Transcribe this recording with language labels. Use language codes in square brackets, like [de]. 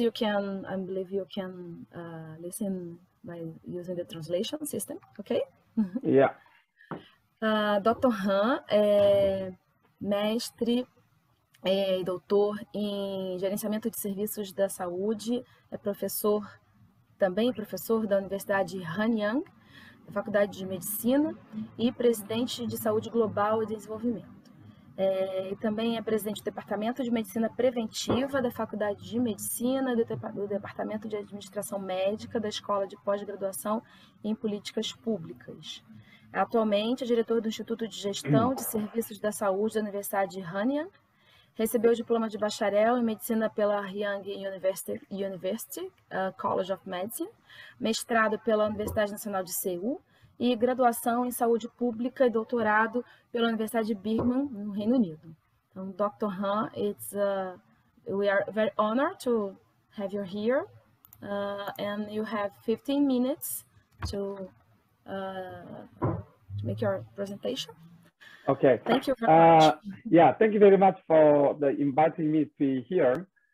[en] I believe you can listen by using the translation system, okay? Yeah. [pt] Dr. Han é mestre e doutor em gerenciamento de serviços da saúde, é professor, também professor da Universidade Hanyang, da Faculdade de Medicina, e presidente de Saúde Global e Desenvolvimento. E também é presidente do Departamento de Medicina Preventiva da Faculdade de Medicina, do Departamento de Administração Médica da Escola de Pós-Graduação em Políticas Públicas. Atualmente é diretor do Instituto de Gestão de Serviços da Saúde da Universidade de Hanyang. Recebeu o diploma de bacharel em medicina pela Hanyang University College of Medicine, mestrado pela Universidade Nacional de Seul e graduação em saúde pública e doutorado pela Universidade de Birmingham, no Reino Unido. [en] Então, Dr. Han, we are very honored to have you here, and you have 15 minutes to make your presentation. Okay. Thank you very much. Yeah, thank you very much for the inviting me to be here.